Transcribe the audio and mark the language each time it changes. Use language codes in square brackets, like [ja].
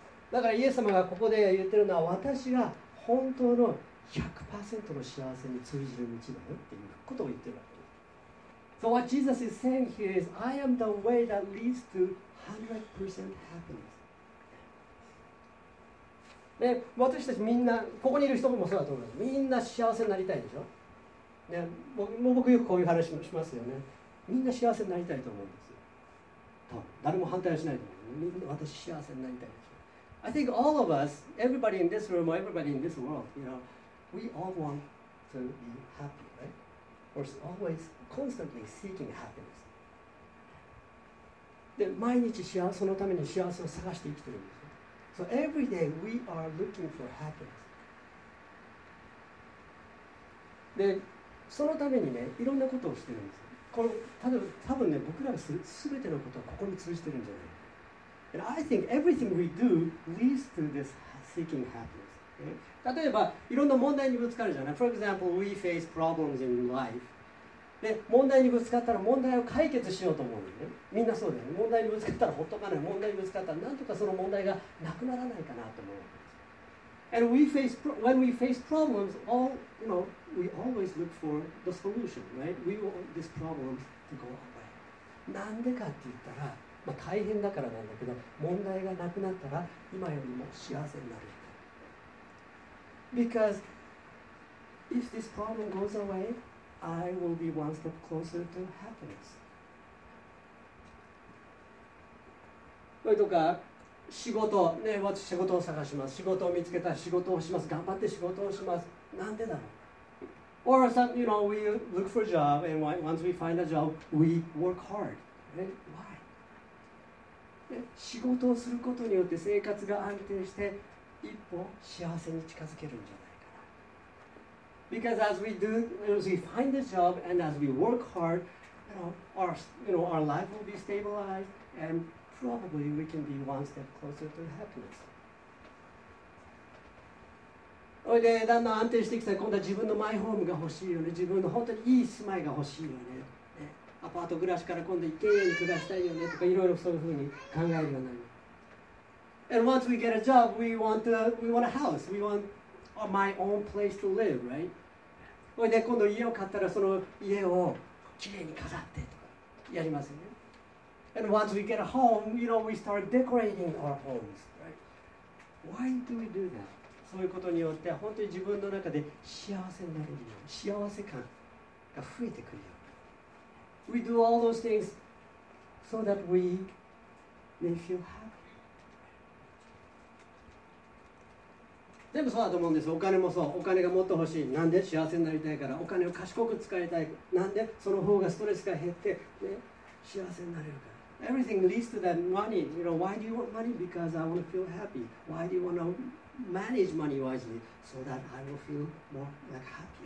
[ja] だからイエス様がここで言ってるのは、私が本当の 100% の幸せに通じる道だよっていうことを言ってるわけです。 [en] So what Jesus is saying here is, I am the way that leads to 100% happiness. [ja] ね、私たちみんな、ここにいる人もそうだと思います。みんな幸せになりたいでしょ。ね、もう僕よくこういう話もしますよね。みんな幸せになりたいと思うんですよ。誰も反対はしないと思う。みんな私幸せになりたいでしょ。 [en] I think all of us, everybody in this room, or everybody in this world, you know, we all want to be happy, right? We're always constantly seeking happiness. [ja] で、毎日幸せのために幸せを探して生きてるんですよ。 [en] So every day we are looking for happiness. [ja] で、そのためにね、いろんなことをしてるんですよ。これ、多分ね、僕らがすべてのことはここに通じてるんじゃない。 [en] And I think everything we do leads to this seeking happiness. Okay? [ja] 例えば、いろんな問題にぶつかるじゃない。 [en] For example, we face problems in life. [ja] で、問題にぶつかったら問題を解決しようと思うよね。みんなそうだよね。問題にぶつかったらほっとかない。問題にぶつかったらなんとかその問題がなくならないかなと思う。 [en] And we face when we face problems, all you know, we always look for the solution, right? We want this problem to go away. [ja] なんでかって言ったら、まあ、大変だからなんだけど、問題がなくなったら今よりも幸せになる。 [en] Because if this problem goes away, I will be one step closer to happiness. [ja] それとか。仕事、ね、私仕事を探します。仕事を見つけたら仕事をします。頑張って仕事をします。なんでだろう。 [en] Or some, you know, we look for a job and once we find a job, we work hard. Why? [ja] 仕事をすることによって生活が安定して一歩幸せに近づけるんじゃないかな。 [en] Because as we do, as we find a job and as we work hard, our life will be stabilized andProbably we can be one step closer to happiness. [ja] おいで、だんだん安定してきたら、今度は自分のマイホームが欲しいよね。自分の本当にいい住まいが欲しいよね。ね、アパート暮らしから今度一軒家に暮らしたいよねとか、いろいろそういうふうに考えるようになる。 [en] And once we get a job, we want a house. We want my own place to live, right? [ja] おいで、今度家を買ったら、その家をきれいに飾ってとかやりますよね。 [en] And once we get a home, you know, we start decorating our homes, right? Why do we do that? [ja] そういうことによって、本当に自分の中で幸せになるよ、幸せ感が増えてくるよ。 [en] We do all those things so that we may feel happy. [ja] 全部そうだと思うんです。お金もそう。お金がもっと欲しい。なんで幸せになりたいから。お金を賢く使いたい。なんでその方がストレスが減って、ね、幸せになれるから。 [en] Everything leads to that money. You know, why do you want money? Because I want to feel happy. Why do you want to manage money wisely? So that I will feel more like happier.